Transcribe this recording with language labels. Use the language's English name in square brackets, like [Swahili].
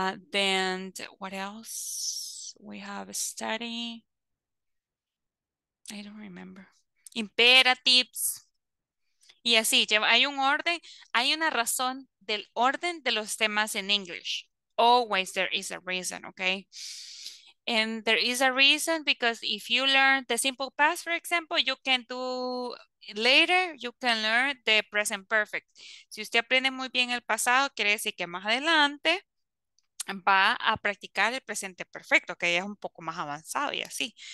[English] Then, what else we have studied? I don't remember. Imperatives. [Spanish] Y así, hay un orden, hay una razón del orden de los temas en English. [English] Always there is a reason, okay? And there is a reason because if you learn the simple past, for example, you can do later, you can learn the present perfect. [Spanish] Si usted aprende muy bien el pasado, quiere decir que más adelante va a practicar el presente perfecto, que ya es un poco más avanzado y así.